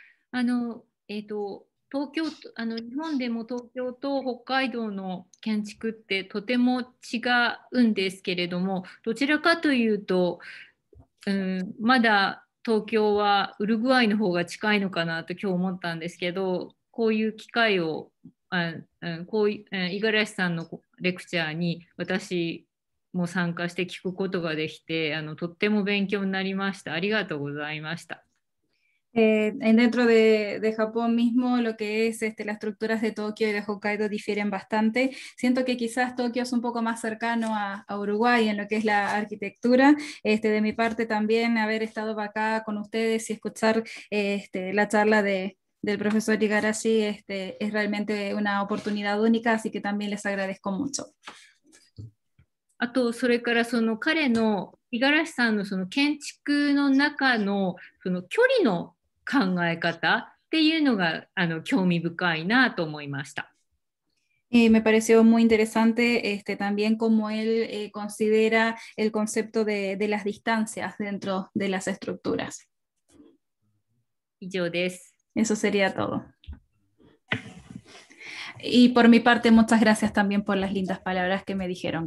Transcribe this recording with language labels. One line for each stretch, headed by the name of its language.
Japanese: 東京都、日本でも東京と北海道の建築ってとても違うんですけれども、どちらかというと、まだ東京はウルグアイの方が近いのかなと今日思ったんですけど、こういう機会を、こういう五十嵐さんのレクチャーに私も参加して聞くことができて、とっても勉強になりました。ありがとうございました。
Spanish: Dentro de Japón mismo, lo que es las estructuras de Tokio y de Hokkaido difieren bastante. Siento que quizás Tokio es un poco más cercano a Uruguay en lo que es la arquitectura. De mi parte también, haber estado acá con ustedes y escuchar la charla del profesor Igarashi es realmente una oportunidad única, así que también les agradezco mucho.
Japanese: あとそれからその彼の五十嵐さんのその建築の中のその距離の考え方っていうのが興味深いなと思いました。
Spanish: Me pareció muy interesante también cómo él considera el concepto de las distancias dentro de las estructuras.
Japanese: 以上です。
Spanish: Eso sería todo. Y por mi parte, muchas gracias también por las lindas palabras que me dijeron.